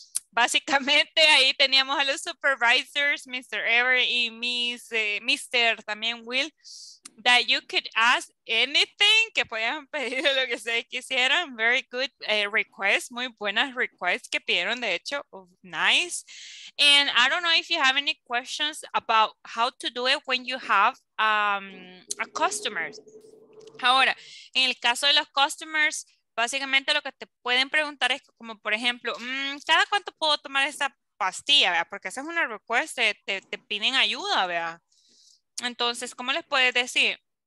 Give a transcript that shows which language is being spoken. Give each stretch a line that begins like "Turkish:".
Spanish: Básicamente ahí teníamos a los supervisors, Mr. Everett y Mr. también Will,
English: that you could ask anything,
Spanish: que podían pedir lo que se quisieran.
English: Very good request,
Spanish: muy buenas requests que pidieron, de hecho.
English: Oh, nice. And I don't know if you have any questions about how to do it when you have a customer.
Spanish: Ahora, en el caso de los customers, básicamente lo que te pueden preguntar es como, por ejemplo, ¿cada cuánto puedo tomar esta pastilla? ¿Vea? Porque esa es una request, te piden ayuda, ¿vea? Entonces, ¿cómo les puedes decir?